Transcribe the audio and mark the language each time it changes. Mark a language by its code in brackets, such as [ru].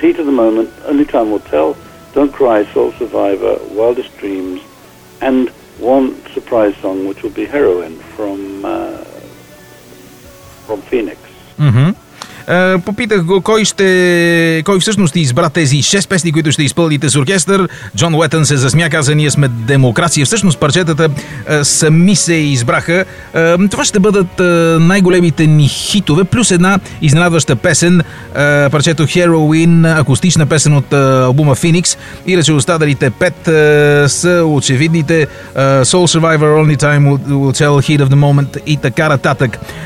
[en] Heat of the Moment, Only Time Will Tell, Don't Cry, Soul Survivor, Wildest Dreams, and one surprise song, which will be Heroine from Phoenix. Mm-hmm. [bg] Попитах го кой всъщност ти избра тези 6 песни, които ще изпълните с оркестър. Джон Уетън се засмя, каза, ние сме демокрация. Всъщност парчетата сами се избраха. Това ще бъдат най-големите ни хитове, плюс една изненадваща песен, парчето Heroin, акустична песен от албума Phoenix. И рече останалите 5 са очевидните. Soul Survivor, Only Time Will Tell, Heat of the Moment и така нататък.